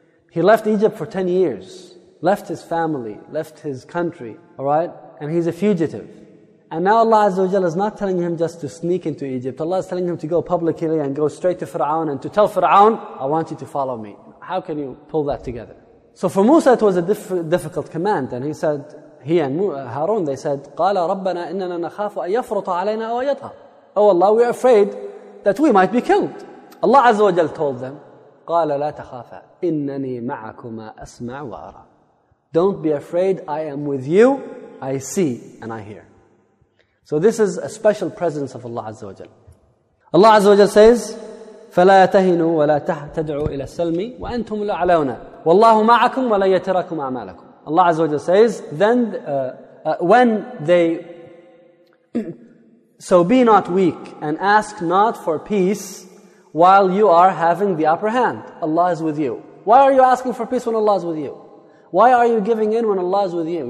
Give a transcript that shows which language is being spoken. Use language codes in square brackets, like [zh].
[en] He left Egypt for 10 years. Left his family, left his country, alright? And he's a fugitive. And now Allah Azza wa Jalla is not telling him just to sneak into Egypt. Allah is telling him to go publicly and go straight to Fir'aun and to tell Fir'aun, I want you to follow me. How can you pull that together? So for Musa it was a difficult command. And Harun, they said, [ar] قَالَ رَبَّنَا إِنَّنَا نَخَافُ أَن يَفْرُطَ عَلَيْنَا أَوْ يَطْغَى. [en] Oh Allah, we are afraid that we might be killed. Allah Azza wa Jalla told them, [ar] قَالَ لَا تَخَافَ إِنَّنِي مَعَكُمَا أَسْمَعُ وَأَرَى. [en] Don't be afraid, I am with you, I see and I hear. So this is a special presence of Allah Azza wa Jal. Allah Azza wa Jal says, [ar] فَلَا يَتَهِنُوا وَلَا تَدْعُوا إِلَى السَّلْمِ وَأَنْتُمُ الْأَعْلَوْنَا وَاللَّهُ مَعَكُمْ وَلَا يَتَرَكُمْ أَعْمَالَكُمْ. [en] Allah Azza wa Jal says, then when they so be not weak and ask not for peace while you are having the upper hand. Allah is with you. Why are you asking for peace when Allah is with you? Why are you giving in when Allah is with you?